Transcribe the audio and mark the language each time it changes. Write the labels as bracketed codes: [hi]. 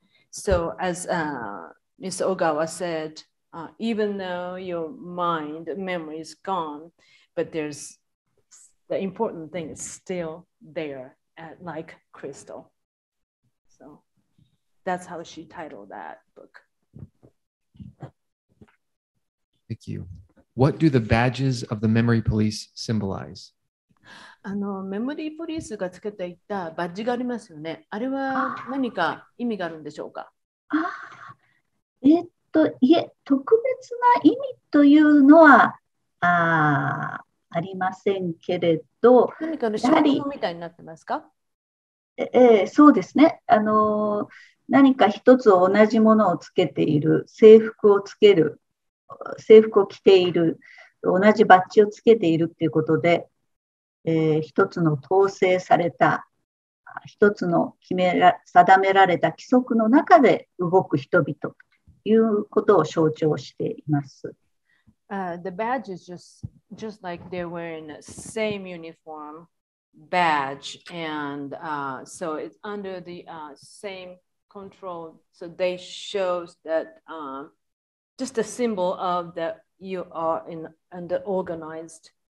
[en] So as Ms. Ogawa said, even though your mind memory is gone, but there's the important thing is still there at like crystal. So that's how she titled that book. Thank you. What do the badges of the memory police symbolize? [ja] あのメモリーポリスがつけていたバッジがありますよね。あれは何か意味があるんでしょうか。あ、いえ、特別な意味というのは ありませんけれど、何かの証拠みたいになってますか。そうですね、何か一つ同じものをつけている、制服をつける、制服を着ている、同じバッジをつけているということで、一つの統制された、一つの定められた規則の中で動く人々ということを象徴しています。 [en] The badge is just like they were in the same uniform badge, and so it's under the same control, so they show that just a symbol of that you are in and organized.